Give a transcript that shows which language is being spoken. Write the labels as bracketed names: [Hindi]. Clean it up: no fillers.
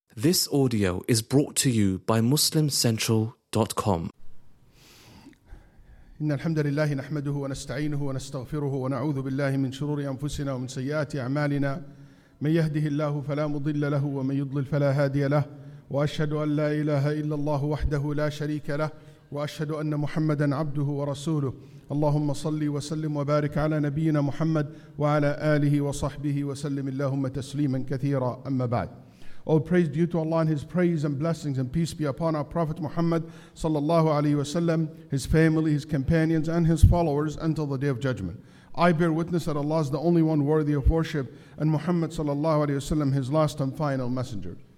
[English] This audio is brought to you by MuslimCentral.com. [Arabic] إن الحمد لله نحمده ونستعينه ونستغفره ونعوذ بالله من شرور أنفسنا ومن سيئات أعمالنا. من يهده الله فلا مضل له ومن يضلل فلا هادي له. وأشهد أن لا إله إلا الله وحده لا شريك له. وأشهد أن محمدا عبده ورسوله. اللهم صل وسلم وبارك على نبينا محمد وعلى آله وصحبه وسلم اللهم تسليما كثيرا. أما بعد. [English] All praise due to Allah and His praise and blessings and peace be upon our Prophet Muhammad sallallahu alaihi wasallam, his family, his companions, and his followers until the Day of Judgment. I bear witness that Allah is the only one worthy of worship, and Muhammad sallallahu alaihi wasallam, his last and final messenger.